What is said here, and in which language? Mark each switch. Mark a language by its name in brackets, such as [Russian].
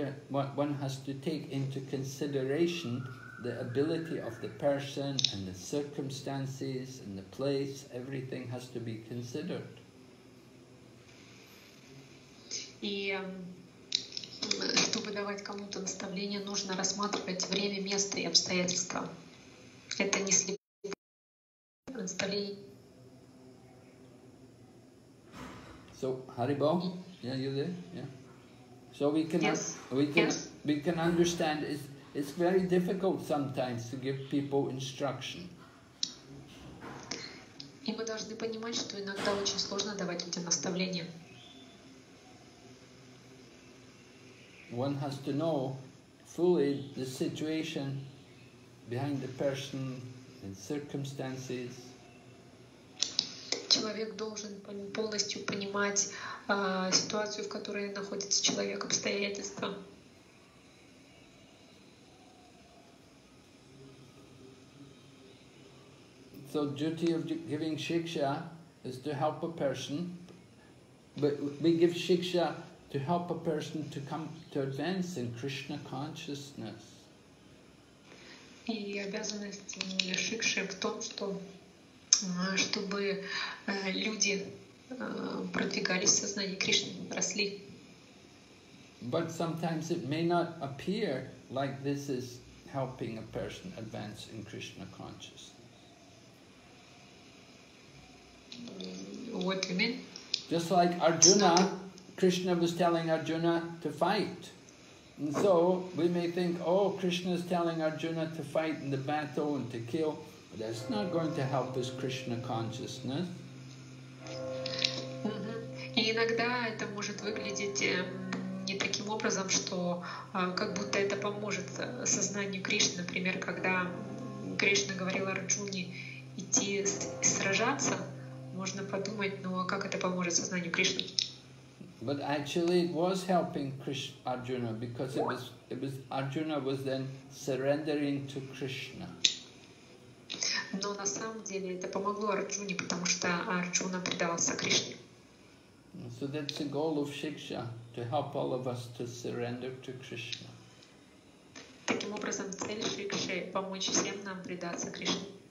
[English] One has to take into consideration the ability of the person and the circumstances and the place. Everything has to be considered. [Russian] Чтобы давать кому-то наставление, нужно рассматривать время, место и обстоятельства. Это не слепое наставление. [English] So, Haribol, yeah, you're there, yeah. So we can understand. It's very difficult sometimes to give people instruction. [Russian] И мы должны понимать, что иногда очень сложно давать людям наставления. [English] One has to know fully the situation behind the person and circumstances. [Russian] Человек должен полностью понимать ситуацию, в которой находится человек, обстоятельства. [English] So duty of giving shiksha is to help a person, but we give shiksha to help a person to come to advance in Krishna consciousness. [Russian] И обязанность шикши в том, что чтобы люди продвигались в сознании Кришны, росли. [English] But sometimes it may not appear like this is helping a person advance in Krishna consciousness. What do you mean? Just like Arjuna. Krishna was telling Arjuna to fight. And so we may think, oh, Krishna is telling Arjuna to fight in the battle and to kill, but that's not going to help his Krishna consciousness. Mm-hmm. [Russian] иногда это может выглядеть не таким образом, что как будто это поможет сознанию Кришны. Например, когда Кришна говорил Арджуне идти сражаться, можно подумать, ну а как это поможет сознанию Кришны? [English] But actually it was helping Arjuna, because it was Arjuna was then surrendering to Krishna. [Russian] Но на самом деле это помогло Арджуне, потому что Арджуна предавался Кришне. [English] So that's the goal of Shiksha, to help all of us to surrender to Krishna. [Russian] Таким образом, цель Шикши — помочь всем нам предаться Кришне.